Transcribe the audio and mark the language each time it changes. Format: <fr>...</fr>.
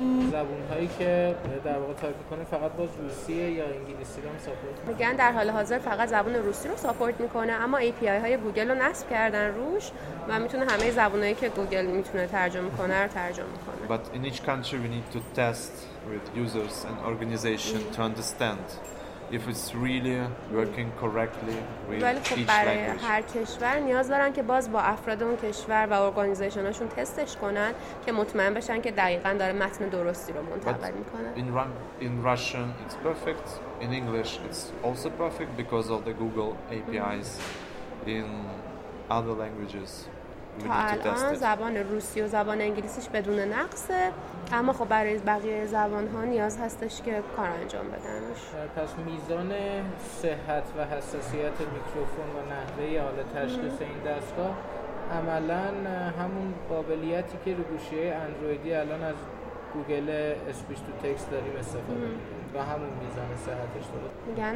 <fa>زبون هایی که در واقع تایپ کنه فقط باز روسیه یا انگلیسی رو ساپورت میکنه؟ میگن در حال حاضر فقط زبون روسی رو ساپورت میکنه، اما API های گوگل رو نصب کردن روش و میتونه همه زبون هایی که گوگل میتونه ترجمه کنه رو ترجمه کنه.</fa> <en>But in each country we need to test with users and organization to understand if it's really working correctly with each language.</en> <fa>برای هر کشور نیاز دارن که باز با افراد اون کشور و ارگانیزیشن‌هاشون تستش کنن که مطمئن بشن که دقیقاً داره متن درستی رو منتقل میکنه.</fa> <en>In Russian it's perfect, in English it's also perfect because of the Google APIs. In other languages</en> <fa>تا الان زبان روسی و زبان انگلیسیش بدون نقصه، اما خب برای بقیه زبان‌ها نیاز هستش که کار انجام بدنش. پس میزان صحت و حساسیت میکروفون و نحوه حال تشخیص این دستگاه عملا همون قابلیتی که رو گوشی اندرویدی الان از گوگل اسپیچ تو تکست داریم استفاده می‌کنیم و همون میزان صحتش داره.</fa>